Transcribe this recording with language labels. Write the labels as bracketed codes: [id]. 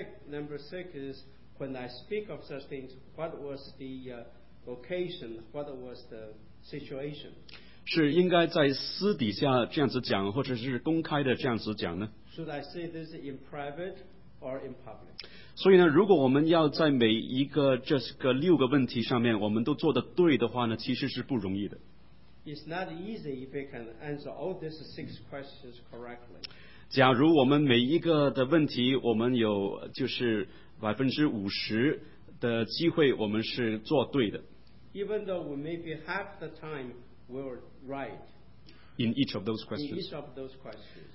[en] Number six is when I speak of such things, what was the occasion, what was the situation? [zh] 是应该在私底下这样子讲，或者是公开的这样子讲呢？ [en] Should I say this in private or in public? [zh] 所以呢，如果我们要在每一个这个六个问题上面我们都做得对的话呢，其实是不容易的。 [en] It's not easy if we can answer all these six questions correctly. [zh] 假如我们每一个的问题，我们有就是50%的机会，我们是做对的。 [en] Even though we maybe half the time we're right. In each of those questions. In each of those questions.